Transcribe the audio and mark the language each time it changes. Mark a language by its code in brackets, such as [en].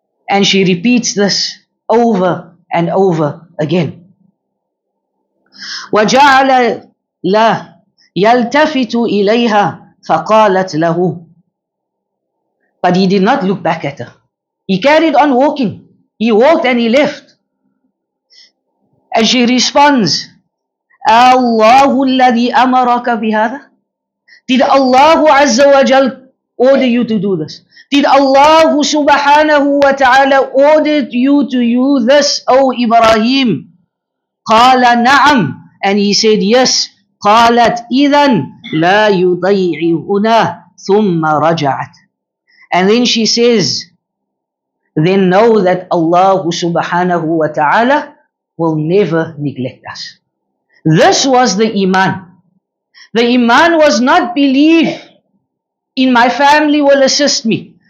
[en] And she repeats this over and over again. [ar] وَجَعَلَ لَا يَلْتَفِتُ إِلَيْهَا فَقَالَتْ لَهُ. [en] But he did not look back at her. He carried on walking. He walked and he left. And she responds, [ar] أَلَّهُ الَّذِي أَمَرَكَ بِهَذَا. [en] Did Allah Azza wa Jal order you to do this? Did Allah subhanahu wa ta'ala order you to do this, O Ibrahim? [ar] قال نعم. [en] And he said yes. [ar] قالت إذن لا يضيعهنا ثم رجعت. [en] And then she says, then know that Allah subhanahu wa ta'ala will never neglect us. This was the iman. The iman was not belief in my family will assist me.